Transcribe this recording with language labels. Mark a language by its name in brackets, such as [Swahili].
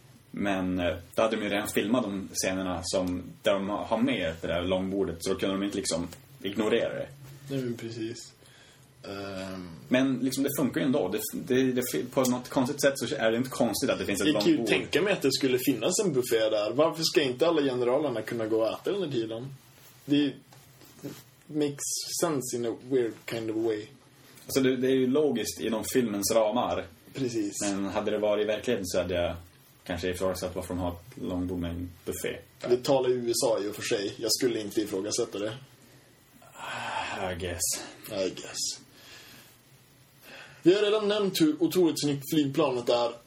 [Swedish] Men då hade de ju redan filmat de scenerna som de har med det där långbordet, så då kunde de inte liksom ignorera det. Nej, men precis. Men liksom, det funkar ju ändå. Det, på något konstigt sätt så är det inte konstigt att det finns ett långbord. Jag kan ju tänka mig att det skulle finnas en buffé där. Varför ska inte alla generalerna kunna gå och äta under tiden? Det [English] makes sense in a weird kind of way. [Swedish] Alltså det är ju logiskt inom filmens ramar. Precis. Men hade det varit i verkligheten så hade jag kanske ifrågasatt varför de har ett långbord med en buffé. Det talar ju USA i och för sig. Jag skulle inte ifrågasätta det. [English] I guess. [Swedish] Vi har redan nämnt hur otroligt snyggt flygplanet är.